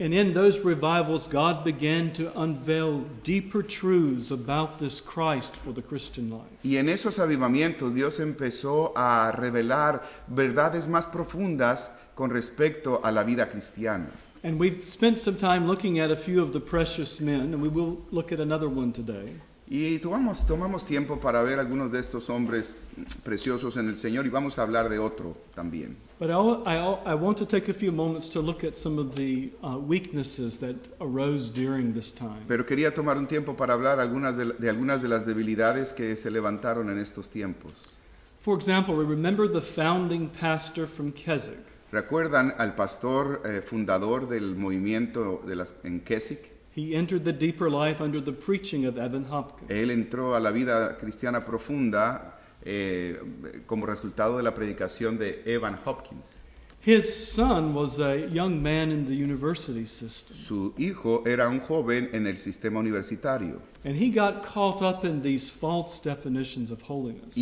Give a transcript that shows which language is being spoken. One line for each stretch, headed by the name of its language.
English: And in those revivals, God began to unveil deeper truths about this Christ for the Christian life.
Spanish: Y en esos avivamientos, Dios empezó a revelar verdades más profundas con respecto a la vida cristiana.
English: And we've spent some time looking at a few of the precious men, and we will look at another one today.
Spanish: Y tomamos tiempo para ver algunos de estos hombres preciosos en el Señor, y vamos a hablar de otro también.
English: But I want to take a few moments to look at some of the weaknesses that arose during this time.
Spanish: Pero quería tomar un tiempo para hablar algunas de las debilidades que se levantaron en estos tiempos.
English: For example, we remember the founding pastor from Keswick.
Spanish: ¿Recuerdan al pastor fundador del movimiento en Keswick?
English: He entered the deeper life under the preaching of Evan Hopkins.
Spanish: Él entró a la vida cristiana profunda como resultado de la predicación de Evan Hopkins.
English: His son was a young man in the university system.
Spanish: Su hijo era un joven en el sistema universitario.
English: And he got caught up in these false definitions of holiness.